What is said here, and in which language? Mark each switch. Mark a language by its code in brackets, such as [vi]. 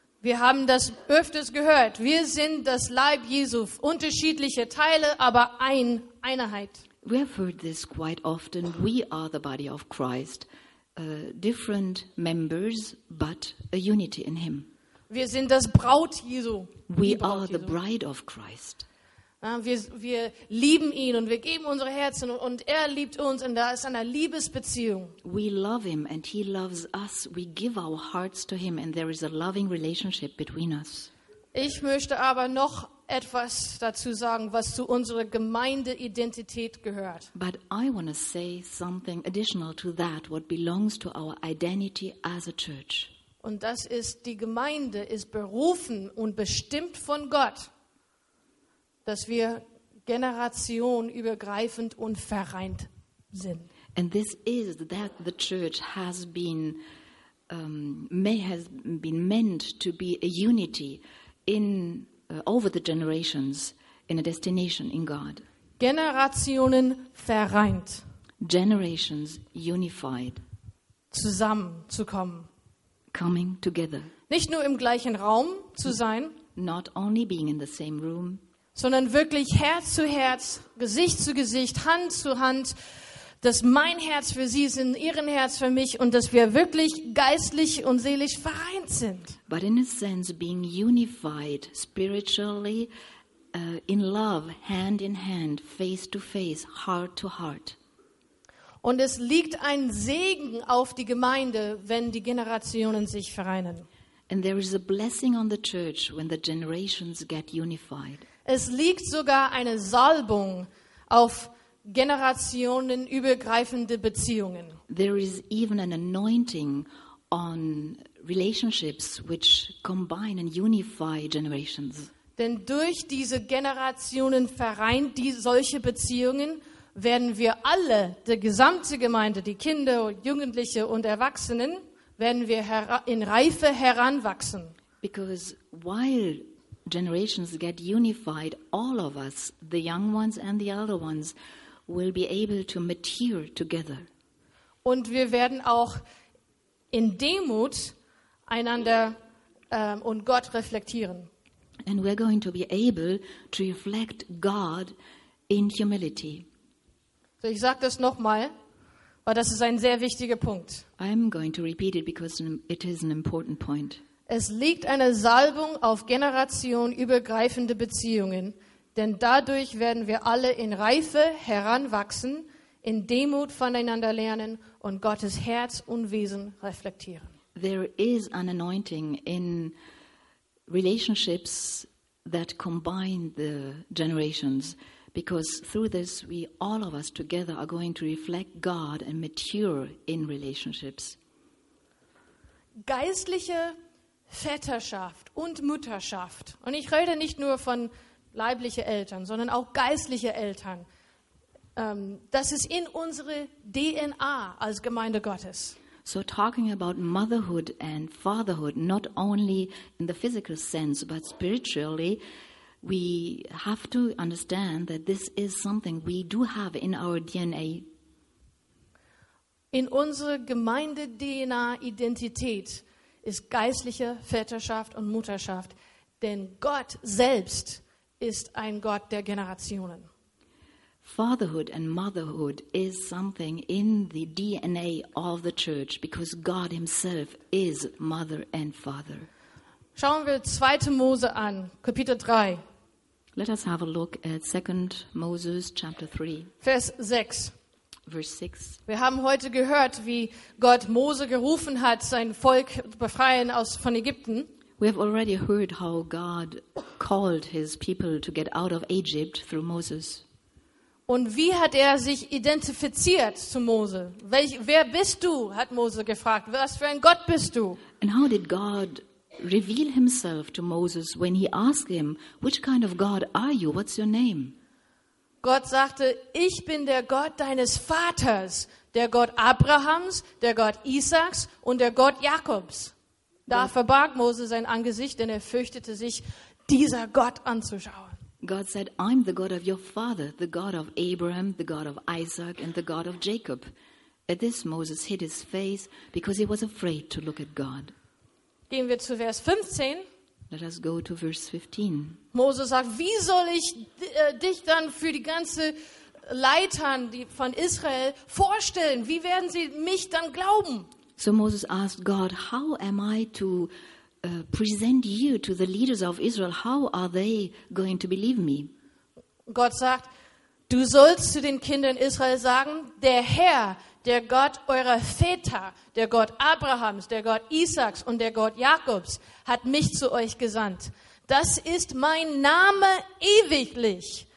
[de] Wir haben das öfters gehört. Wir sind das Leib Jesu, unterschiedliche Teile, aber ein Einheit. [en] We have heard this quite often. We are the body of Christ, different members, but a unity in Him. [de] Wir sind das Braut Jesu. [en] We are the bride of Christ. [de] Wir lieben ihn und wir geben unsere Herzen und er liebt uns und da ist eine Liebesbeziehung. [en] We love him and he loves us. We give our hearts to him and there is a loving relationship between us. [de] Ich möchte aber noch etwas dazu sagen, was zu unserer Gemeindeidentität gehört. [en] But I want to say something additional to that, what belongs to our identity as a church. [de] Und das ist, die Gemeinde ist berufen und bestimmt von Gott, dass wir generationenübergreifend und vereint sind. [en] And this is that the church has been meant to be a unity in over the generations in a destination in God. [de] Generationen vereint. [en] Generations unified. [de] Zusammenzukommen. [en] Coming together. [de] Nicht nur im gleichen Raum zu sein. [en] Not only being in the same room. [de] Sondern wirklich Herz zu Herz, Gesicht zu Gesicht, Hand zu Hand, dass mein Herz für sie ist, ihren Herz für mich und dass wir wirklich geistlich und seelisch vereint sind. [en] But in a sense being unified spiritually, in love, hand in hand, face to face, heart to heart. [de] Und es liegt ein Segen auf die Gemeinde, wenn die Generationen sich vereinen. [en] And there is a blessing on the church when the generations get unified. [de] Es liegt sogar eine Salbung auf generationenübergreifende Beziehungen. [en] There is even an anointing on relationships which combine and unify generations. [de] Denn durch diese Generationen vereint die solche Beziehungen werden wir alle, die gesamte Gemeinde, die Kinder, Jugendliche und Erwachsenen, werden wir in Reife heranwachsen. [en] Because while generations get unified, all of us, the young ones and the elder ones, will be able to mature together. [de] Und wir werden auch in Demut einander und Gott reflektieren. [en] And we're going to be able to reflect God in humility. [de] So ich sage das nochmal, weil das ist ein sehr wichtiger Punkt. [en] I'm going to repeat it because it is an important point. [de] Es liegt eine Salbung auf generationenübergreifende Beziehungen, denn dadurch werden wir alle in Reife heranwachsen, in Demut voneinander lernen und Gottes Herz und Wesen reflektieren. [en] There is an anointing in relationships that combine the generations, because through this we all of us together are going to reflect God and mature in relationships. [de] Geistliche Väterschaft und Mutterschaft. Und ich rede nicht nur von leiblichen Eltern, sondern auch geistliche Eltern. Das ist in unsere DNA als Gemeinde Gottes. [en] So talking about motherhood and fatherhood, not only in the physical sense, but spiritually, we have to understand that this is something we do have in our DNA. [de] In unsere Gemeinde-DNA-Identität ist geistliche Väterschaft und Mutterschaft. Denn Gott selbst ist ein Gott der Generationen. [en] Fatherhood and motherhood is something in the DNA of the church because God himself is mother and father. [de] Schauen wir 2. Mose an, Kapitel 3. [en] Let us have a look at 2. Moses, chapter 3. [de] Vers 6. [en] Verse 6. [de] Wir haben heute gehört, wie Gott Mose gerufen hat, sein Volk zu befreien von Ägypten. [en] We have already heard how God called his people to get out of Egypt through Moses. [de] Und wie hat er sich identifiziert zu Mose? Wer bist du? Hat Mose gefragt. Was für ein Gott bist du? [en] And how did God reveal himself to Moses when he asked him, which kind of God are you? What's your name? [de] Gott sagte, ich bin der Gott deines Vaters, der Gott Abrahams, der Gott Isaaks und der Gott Jakobs. Da verbarg Mose sein Angesicht, denn er fürchtete sich, dieser Gott anzuschauen. [en] God said, I'm the God of your father, the God of Abraham, the God of Isaac and the God of Jacob. At this Moses hid his face because he was afraid to look at God. [de] Gehen wir zu Vers 15. [en] Let us go to verse 15. [de] Moses sagt, wie soll ich dich dann für die ganze Leitern von Israel vorstellen? Wie werden sie mich dann glauben? [en] So Moses asked God, how am I to present you to the leaders of Israel? How are they going to believe me? [de] Gott sagt, du sollst zu den Kindern Israel sagen, der Herr, der Gott eurer Väter, der Gott Abrahams, der Gott Isaaks und der Gott Jakobs hat mich zu euch gesandt. Das ist mein Name ewiglich.